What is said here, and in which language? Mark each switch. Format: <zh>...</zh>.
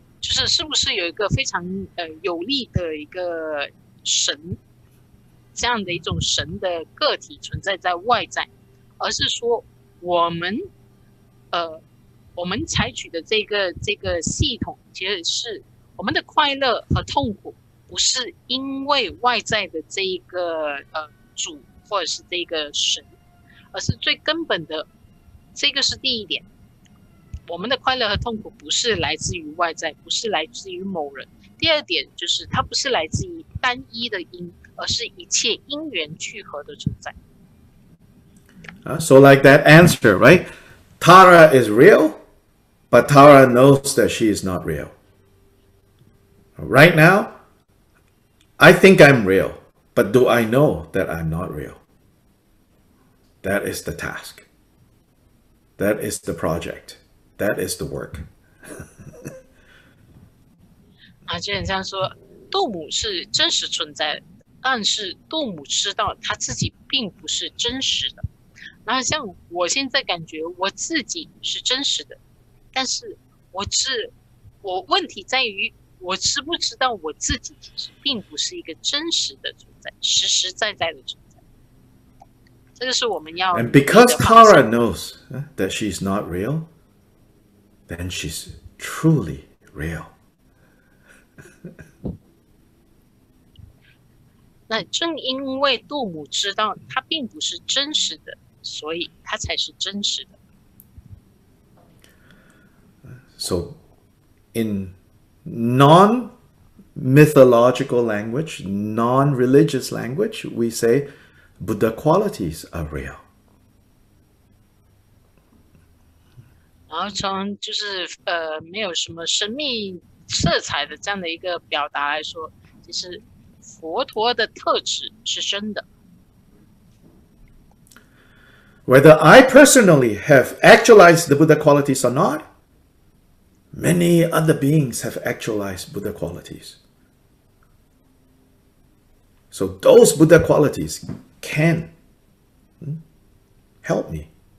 <zh>就是是不是有一个非常有力的一个神，这样的一种神的个体存在在外在，而是说我们采取的这个系统，其实是我们的快乐和痛苦不是因为外在的这一个主或者是这个神，而是最根本的，这个是第一点。我们的快乐和痛苦不是来自于外在，不是来自于某人。第二点就是它不是来自于单一的因，而是一切因缘聚合的存在。</zh> <en>So like that answer, right? Tara is real, but Tara knows that she is not real. Right now, I think I'm real, but do I know that I'm not real? That is the task. That is the project. That is the work.</en> <zh>啊，就很像说，杜姆是真实存在，但是杜姆知道他自己并不是真实的。那像我现在感觉我自己是真实的，但是我问题在于我知不知道我自己其实并不是一个真实的存在，实实在在的存在。这个是我们要。</zh> <en>And because Tara knows that she's not real. Then she's truly real.</en> <zh>那正因为杜姆知道他并不是真实的，所以他才是真实的。</zh> <en>So, in non-mythological language, non-religious language, we say Buddha qualities are real.</en> <zh>然后从就是没有什么神秘色彩的这样的一个表达来说，其实佛陀的特质是真的。</zh> <en>Whether I personally have actualized the Buddha qualities or not, many other beings have actualized Buddha qualities. So those Buddha qualities can help me.</en>